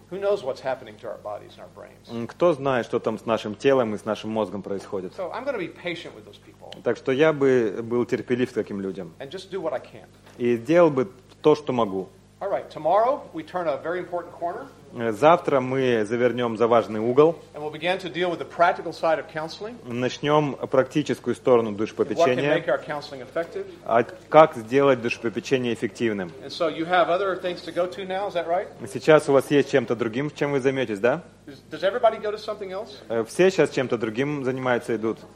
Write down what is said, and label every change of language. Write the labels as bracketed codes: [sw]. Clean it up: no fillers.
[en] Who knows what's happening to our bodies and our brains? [ru] Кто знает, что там с нашим телом и с нашим мозгом происходит? [en] So I'm going to be patient with those people. [ru] Так что я бы был терпелив к таким людям. [en] And just do what I can. [ru] И делал бы то, что могу. [en] All right. Tomorrow we turn a very important corner. [ru] Завтра мы завернем за важный угол. [en] And we'll begin to deal with the practical side of counseling. [ru] Начнем практическую сторону душепопечения. [en] What can make our counseling effective? [ru] А как сделать душепопечение эффективным? [en] And so you have other things to go to now, is that right? [ru] Сейчас у вас есть чем-то другим, чем вы займетесь, да? [en] Does everybody go to something else? [ru] Все сейчас чем-то другим занимаются, идут.